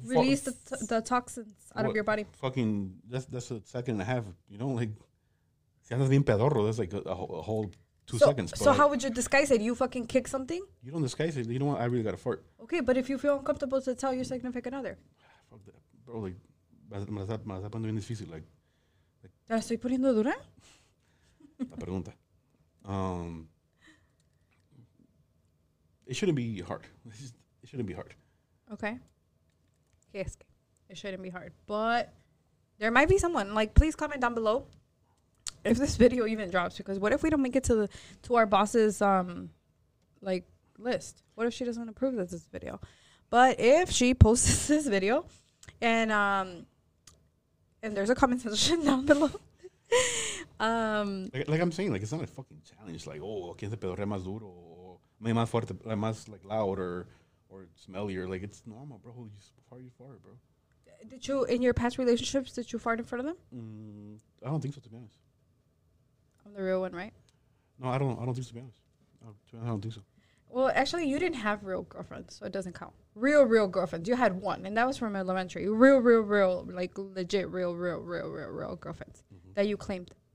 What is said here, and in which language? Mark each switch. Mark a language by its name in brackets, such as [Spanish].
[English] release the toxins out of your body. Fucking, that's a second and a half. You know, like, [Spanish] si andas bien pedorro, [English] that's like a whole 2 seconds. So how would you disguise it? You fucking kick something? You don't disguise it. You know what? I really got to fart. Okay, but if you feel uncomfortable to tell your significant other. Fuck that. Bro, like, [Spanish] me la está poniendo bien difícil. [English] Like, [Spanish] ¿te la estoy poniendo dura? La pregunta. [English] It shouldn't be hard. It shouldn't be hard. Okay. It shouldn't be hard, but there might be someone. Like, please comment down below if this video even drops, because what if we don't make it to our boss's list? What if she doesn't approve of this video? But if she posts this video and there's a comment section down below. like I'm saying, like, it's not a fucking challenge. Like, oh, [Spanish] ¿quién se pedorrea más duro? O más fuerte, más, [English] like, louder or smellier. Like, it's normal, bro. You fart, bro. Did you, in your past relationships, did you fart in front of them? I don't think so, to be honest. I'm the real one, right? No, I don't know. I don't think so, to be honest. I don't think so. Well, actually, you didn't have real girlfriends, so it doesn't count. Real girlfriends. You had one, and that was from elementary. Real, like, legit, real girlfriends that you claimed.